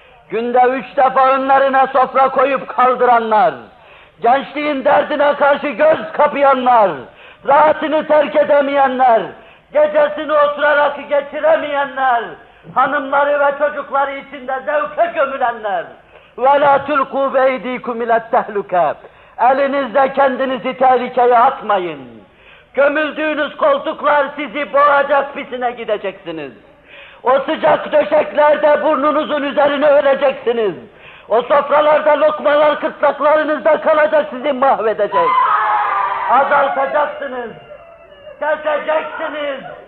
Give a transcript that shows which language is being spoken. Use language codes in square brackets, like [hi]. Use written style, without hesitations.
[tr] günde 3 defa önlerine sofra koyup kaldıranlar, gençliğin derdine karşı göz kapayanlar, rahatını terk edemeyenler, gecesini oturarak geçiremeyenler, hanımları ve çocukları içinde zevke gömülenler, [ar] وَلَا تُلْقُوا بَيْد۪يكُمْ اِلَى التَّهْلُكَةِ [tr] Elinizle kendinizi tehlikeye atmayın. Gömüldüğünüz koltuklar sizi boğacak, pisine gideceksiniz. O sıcak döşeklerde burnunuzun üzerine öleceksiniz. O sofralarda lokmalar kırtlaklarınızda kalacak, sizi mahvedecek. Azaltacaksınız, keseceksiniz.